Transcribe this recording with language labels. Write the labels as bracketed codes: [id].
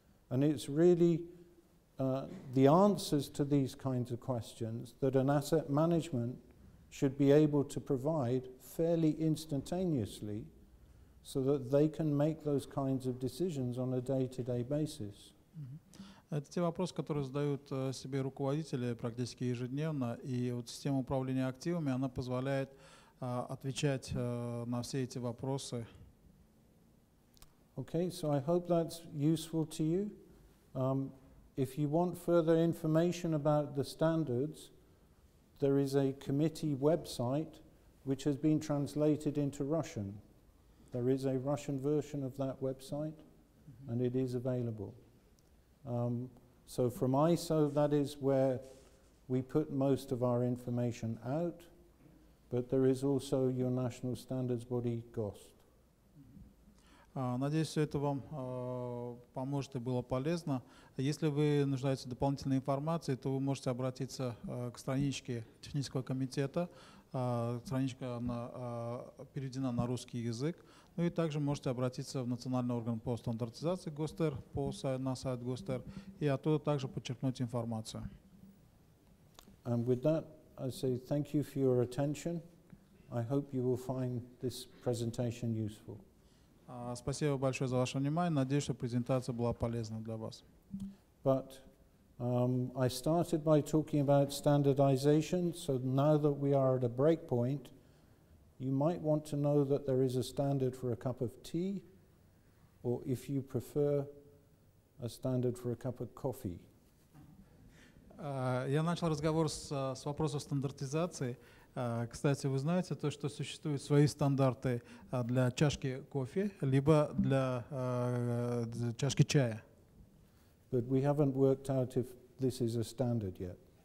[en] And it's really the answers to these kinds of questions that an asset management should be able to provide fairly instantaneously so that they can make those kinds of decisions on a day-to-day basis. [ru] Это те вопросы, которые задают себе руководители практически ежедневно. И вот система управления активами, она позволяет отвечать на все эти вопросы. [en] Okay, so I hope that's useful to you. If you want further information about the standards, there is a committee website which has been translated into Russian. There is a Russian version of that website, and it is available. So from ISO, that is where we put most of our information out, but there is also your national standards body, ГОСТ. [ru] Надеюсь, все это вам поможет и было полезно. Если вы нуждаетесь в дополнительной информации, то вы можете обратиться к страничке технического комитета. Страничка переведена на русский язык. Ну и также можете обратиться в национальный орган по стандартизации ГОСТР на сайт ГОСТР и оттуда также подчеркнуть информацию. [en] And with that, I say thank you for your attention. I hope you will find this presentation useful. [ru] Спасибо большое за ваше внимание. Надеюсь, что презентация была полезна для вас. [en] But I started by talking about standardization, so now that we are at a break point, you might want to know that there is a standard for a cup of tea, or if you prefer, a standard for a cup of coffee. [ru] Я начал разговор с вопросом стандартизации. Кстати, вы знаете то, что существуют свои стандарты для чашки кофе, либо для чашки чая. [en] But we haven't worked out if this is a standard yet.